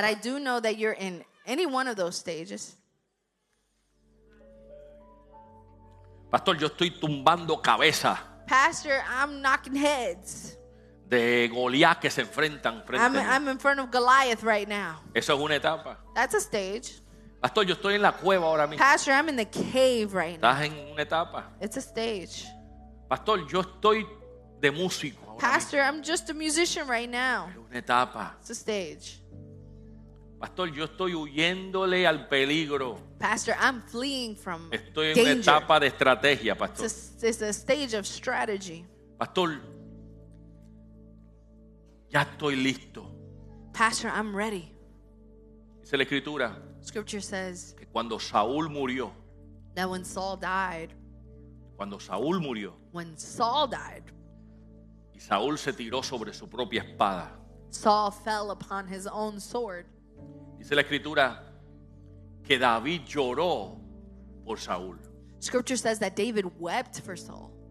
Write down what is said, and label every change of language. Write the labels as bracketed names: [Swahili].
[English] But I do know that you're in any one of those stages. [Spanish] Pastor, yo estoy tumbando cabeza. [English] Pastor, I'm knocking heads. [Spanish] De Goliat que se enfrentan frente. [English] I'm in front of Goliath right now. [Spanish] Eso es una etapa. [English] That's a stage. [Spanish] Pastor, yo estoy en la cueva ahora mismo. [English] Pastor, I'm in the cave right now. [Spanish] Estás en una etapa. [English] It's a stage. [Spanish] Pastor, yo estoy de músico ahora. [English] Pastor, [Spanish] mismo. [English] I'm just a musician right now. [Spanish] Es una etapa. [English] It's a stage. [Spanish] Pastor, yo estoy huyéndole al peligro. [English] Pastor, I'm fleeing from danger. [Spanish] Estoy en una etapa de estrategia, pastor. [English] It's a stage of strategy. [Spanish] Pastor, ya estoy listo. [English] Pastor, I'm ready. [Spanish] Dice la escritura. [English] Scripture says [Spanish] que cuando Saúl murió, [English] that when Saul died, [Spanish] cuando Saúl murió, [English] when Saul died, [Spanish] y Saúl se tiró sobre su propia espada, [English] Saul fell upon his own sword. [Spanish] Dice la escritura que David lloró por Saúl. [English] Scripture says that David wept for Saul.